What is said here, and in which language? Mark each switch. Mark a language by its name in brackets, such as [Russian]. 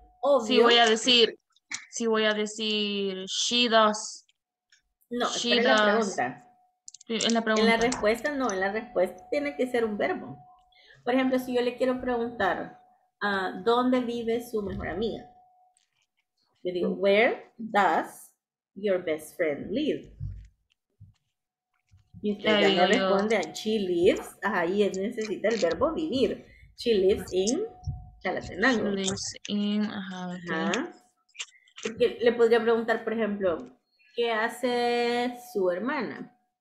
[Spanish] Obvio. Si voy a decir [English] she does. No, she does. [Spanish] En la pregunta. En la respuesta, no. En la respuesta tiene que ser un verbo. Por ejemplo, si yo le quiero preguntar, ¿dónde vive su mejor amiga? Yo digo, [English] where does your best friend live? [Spanish] Y usted ya no responde a [English] she lives, [Spanish] ahí necesita el verbo vivir. [English] She lives in Chalatenango. She lives in, [Spanish] ajá, [English] okay. [Spanish] Porque le podría preguntar, por ejemplo, ¿qué hace su hermana?